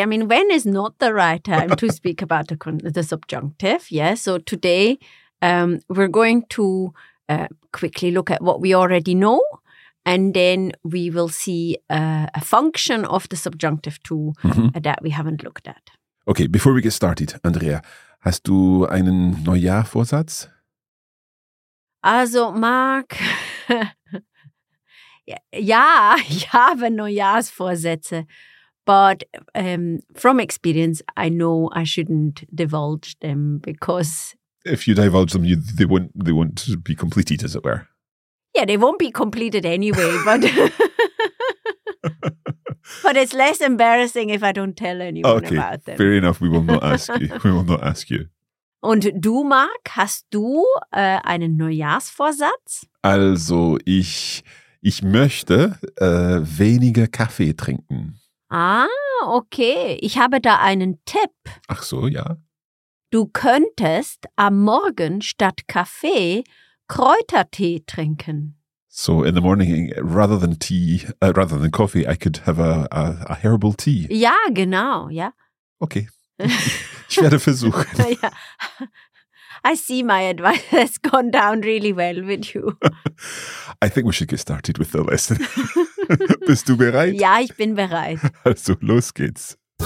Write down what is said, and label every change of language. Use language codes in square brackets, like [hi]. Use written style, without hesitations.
[en] I mean, when is not the right time to speak about the subjunctive? Yeah. So today we're going to quickly look at what we already know. And then we will see a function of the subjunctive too that we haven't looked at. Okay, before we get started, Andrea, [de] hast du einen Neujahrvorsatz? Also, Marc, ja, ich habe Neujahrsvorsätze. [en] But from experience, I know I shouldn't divulge them because... If you divulge them, they won't be completed, as it were. Yeah, they won't be completed anyway, but but it's less embarrassing if I don't tell anyone okay, about them. Fair enough, we will not ask you. We will not ask you. [de] Und du, Marc, hast du einen Neujahrsvorsatz? Also, ich möchte weniger Kaffee trinken. Ah, okay. Ich habe da einen Tipp. Ach so, ja. Du könntest am Morgen statt Kaffee Kräutertee trinken. [en] So in the morning, rather than coffee, I could have a herbal tea. [de] Ja, genau, ja. Okay, ich werde versuchen. [en] Yeah. I see my advice has gone down really well with you. I think we should get started with the lesson. [de] Bist du bereit? Ja, ich bin bereit. Also, los geht's.